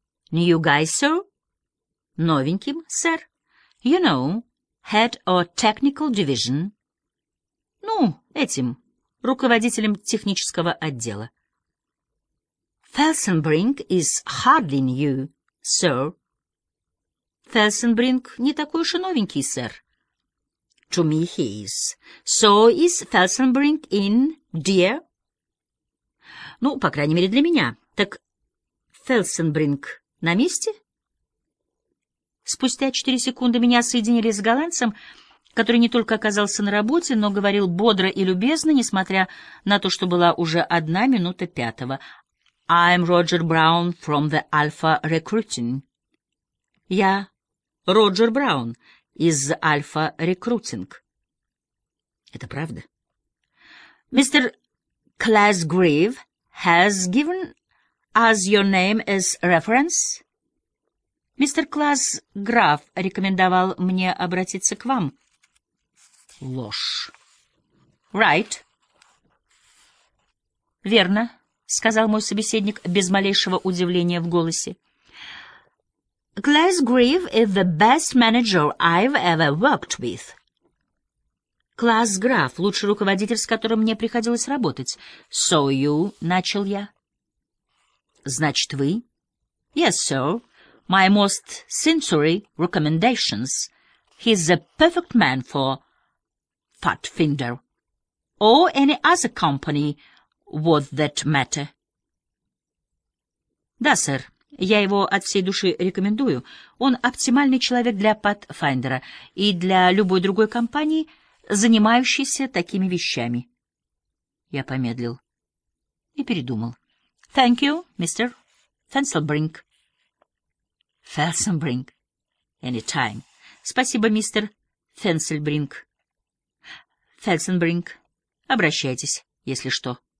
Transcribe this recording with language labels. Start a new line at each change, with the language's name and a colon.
English: «New guy, sir?»
Russian: «Новеньким, сэр?»
English: «You know, head of technical division?»
Russian: «Ну, этим, руководителем технического отдела».
English: «Felsenbrink is hardly new, sir?»
Russian: «Felsenbrink не такой уж и новенький, сэр».
English: «To me he is. So is Felsenbrink in, dear?»
Russian: «Ну, по крайней мере, для меня. Так Felsenbrink на месте?» Спустя 4 секунды меня соединили с голландцем, который не только оказался на работе, но говорил бодро и любезно, несмотря на то, что была уже 5:01.
English: «I'm Roger Brown from the Alpha Recruiting».
Russian: «Я Роджер Браун из Alpha Recruiting». «Это правда?» «Mr.
English: Glasgrave has given us your name as reference?»
Russian: «Мистер Glasgrave рекомендовал мне обратиться к вам». «Ложь».
English: «Right».
Russian: «Верно», — сказал мой собеседник без малейшего удивления в голосе.
English: «Glasgrave is the best manager I've ever worked with».
Russian: «Glasgrave — лучший руководитель, с которым мне приходилось работать».
English: «So you»,
Russian: — начал я. «Значит, вы?»
English: «Yes, sir. My most sincere recommendations. He's the perfect man for Pathfinder or any other company worth that matter».
Russian: «Да, сэр. Я его от всей души рекомендую. Он оптимальный человек для Pathfinder и для любой другой компании, занимающейся такими вещами». Я помедлил и передумал.
English: «Thank you, мистер Felsenbrink». «Felsenbrink. Anytime».
Russian: «Спасибо, мистер Felsenbrink». «Felsenbrink. Обращайтесь, если что».